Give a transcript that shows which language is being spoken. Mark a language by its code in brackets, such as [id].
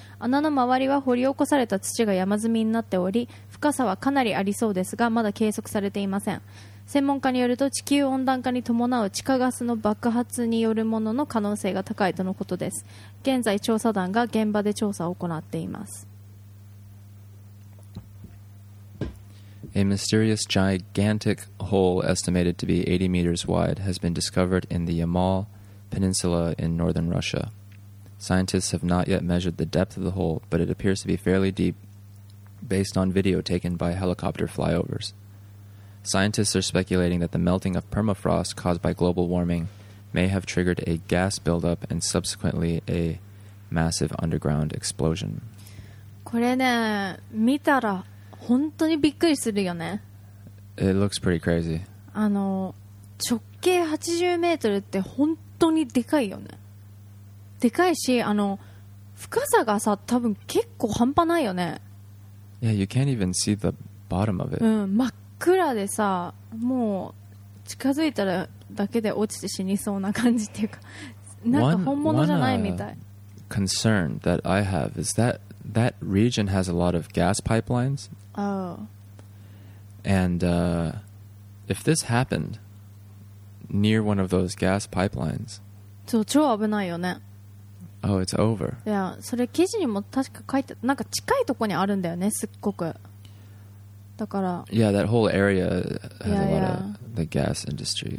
[ja] 穴の周りは掘り起こされた土が山積みになっており、深さはかなりありそうですが、まだ計測されていません。専門家によると、地球温暖化に伴う地下ガスの爆発によるものの可能性が高いとのことです。現在調査団が現場で調査を行っています。 [en] A mysterious gigantic hole estimated to be 80 meters wide has been discovered in the Yamal Peninsula in northern Russia. Scientists have not yet measured the depth of the hole, but it appears to be fairly deep based on video taken by helicopter flyovers. Scientists are speculating that the melting of permafrost caused by global warming may have triggered a gas buildup and subsequently a massive underground explosion. [ja] これね、見たら本当にびっくりするよね。 [en] It looks pretty crazy. [ja] あの直径80メートルって本当にでかいよね。でかいし、あの深さがさ、多分結構半端ないよね。 [en] Yeah, you can't even see the bottom of it. [ja] うん、真っ暗でさ、もう近づいたらだけで落ちて死にそうな感じっていうか、なんか本物じゃないみたい。 [en] Concern that I have is that that region has a lot of gas pipelines. Oh. And if this happened near one of those gas pipelines, [ja] そう、超危ないよね。 [en] Oh, it's over. [ja] いや、それ記事にも確か書いて、なんか近いとこにあるんだよね、すっごく。だから。 [en] Yeah, that whole area has a lot of the gas industries.